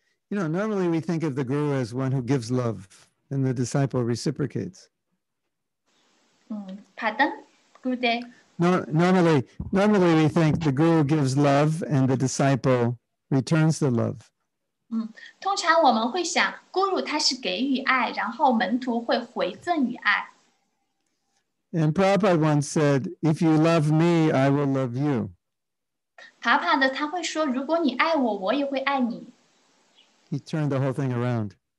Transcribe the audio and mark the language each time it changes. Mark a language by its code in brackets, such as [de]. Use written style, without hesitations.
[en] You know, normally we think of the guru as one who gives love and the disciple reciprocates. Pardon? Good day. Normally we think the guru gives love and the disciple returns the love. [zh] 通常我们会想，guru他是给予爱，然后门徒会回赠予爱。 [en] And Prabhupada once said, if you love me, I will love you. He turned the whole thing around.